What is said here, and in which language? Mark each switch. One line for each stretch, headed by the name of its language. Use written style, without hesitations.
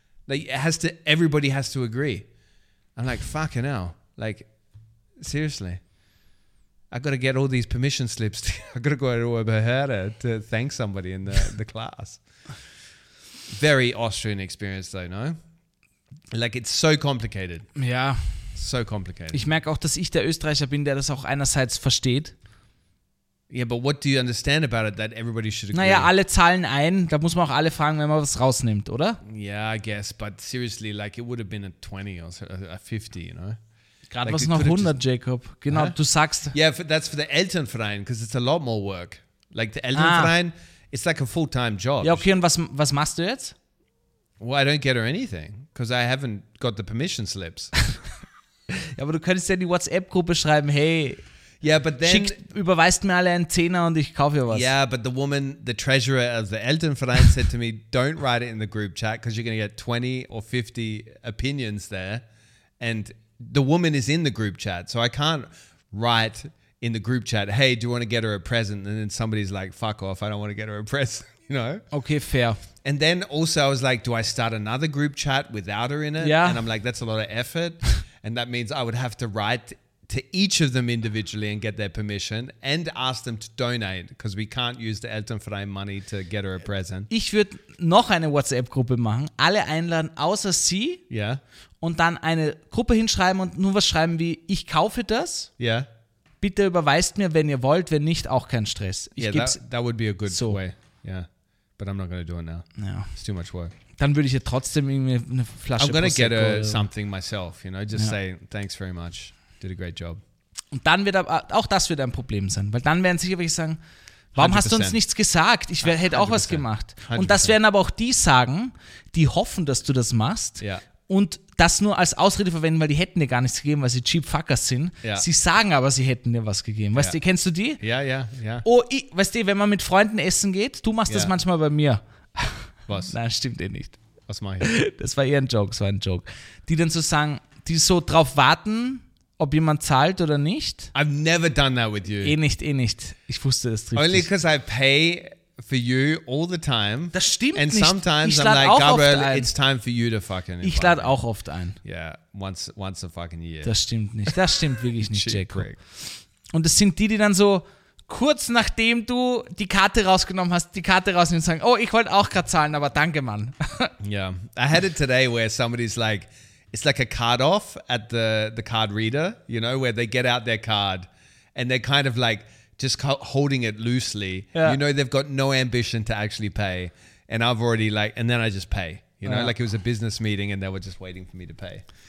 English: Like it has to, everybody has to agree. I'm like, fucking hell. Like, seriously. I got to get all these permission slips. I got to go over her to thank somebody in the class. Very Austrian experience though, no? Like it's so complicated. Yeah. So complicated.
German: Ich merke auch, dass ich der Österreicher bin, der das auch einerseits versteht.
English: Yeah, but what do you understand about it that everybody should agree?
German: Naja, alle zahlen ein. Da muss man auch alle fragen, wenn man was rausnimmt, oder?
English: Yeah, I guess. But seriously, like it would have been a 20 or a 50, you know?
German: Gerade like, was noch 100, just, Jacob. Genau, huh? Du sagst.
English: Yeah, that's for the Elternverein, because it's a lot more work. Like the Elternverein, it's like a full-time job.
German: Ja, okay, und was machst du jetzt?
English: Well, I don't get her anything, because I haven't got the permission slips.
German: Ja, aber du könntest ja in die WhatsApp-Gruppe schreiben, hey,
English: yeah, but then,
German: schickt, überweist mir alle einen Zehner und ich kaufe ihr was.
English: Yeah, but the woman, the treasurer of the Elternverein said to me, don't write it in the group chat, because you're going to get 20 or 50 opinions there. And the woman is in the group chat, so I can't write in the group chat, hey, do you want to get her a present? And then somebody's like, fuck off, I don't want to get her a present. No. Okay, fair. And then also I was like, do I start another group chat without her in it? Yeah. And I'm like, that's a lot of effort. And that means I would have to write to each of them individually and get their permission and ask them to donate, because we can't use the Elternverein money to get her a present.
German: Ich würde noch eine WhatsApp-Gruppe machen, alle einladen außer sie.
English: Yeah.
German: Und dann eine Gruppe hinschreiben und nur was schreiben wie, ich kaufe das.
English: Yeah.
German: Bitte überweist mir, wenn ihr wollt, wenn nicht, auch kein Stress.
English: Ich yeah, that would be a good so. Way. Yeah, but I'm not going to do it now. Yeah. It's too much work.
German: Dann würde ich ihr trotzdem irgendwie eine Flasche
English: I'm going to get her something myself, you know, just say thanks very much, did a great job.
German: Und dann wird aber, auch das wird ein Problem sein, weil dann werden sicher welche sagen, warum 100%. Hast du uns nichts gesagt? Ich hätte auch was gemacht. 100%. Und das werden aber auch die sagen, die hoffen, dass du das machst und das nur als Ausrede verwenden, weil die hätten dir gar nichts gegeben, weil sie cheap fuckers sind.
English: Yeah.
German: Sie sagen aber, sie hätten dir was gegeben. Weißt du, kennst du die? Ja, ja, ja. Oh, ich, weißt du, wenn man mit Freunden essen geht, du machst das manchmal bei mir. Was? Nein, stimmt eh nicht. Was mache ich? Das war eher ein Joke, das war ein Joke. Die dann so sagen, die so drauf warten, ob jemand zahlt oder nicht.
English: I've never done that with you.
German: Eh nicht, eh nicht. Ich wusste, das
English: trifft only because I pay for you all the time.
German: Das stimmt
English: and
German: nicht.
English: Sometimes ich I'm like, Gabriel, it's time for you to fucking invite.
German: Ich lade auch oft ein.
English: Yeah, once a fucking year.
German: Das stimmt nicht. Das stimmt wirklich nicht, Jacob. Greg. Und es sind die, die dann so kurz nachdem du die Karte rausgenommen hast, die Karte rausnehmen und sagen, oh, ich wollte auch gerade zahlen, aber danke, Mann.
English: Yeah. I had it today where somebody's like, it's like a card off at the card reader, you know, where they get out their card and they're kind of like, just holding it loosely, you know, they've got no ambition to actually pay. And I've already like, and then I just pay, you know, like it was a business meeting and they were just waiting for me to pay.